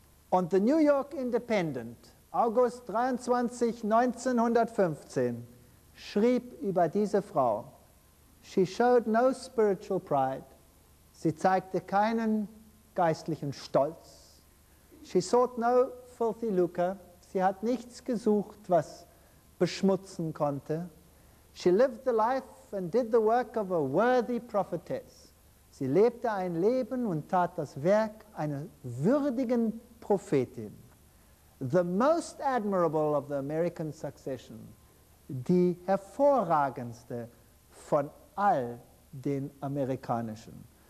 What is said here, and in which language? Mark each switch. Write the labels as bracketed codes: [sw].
[de] Und The New York Independent, August 23, 1915, schrieb über diese Frau. [en] She showed no spiritual pride. [de] Sie zeigte keinen geistlichen Stolz. [en] She sought no filthy lucre. [de] Sie hat nichts gesucht, was beschmutzen konnte. [en] She lived the life and did the work of a worthy prophetess. [de] Sie lebte ein Leben und tat das Werk einer würdigen Prophetin. [en] The most admirable of the American succession, [de] die hervorragendste von all den amerikanischen.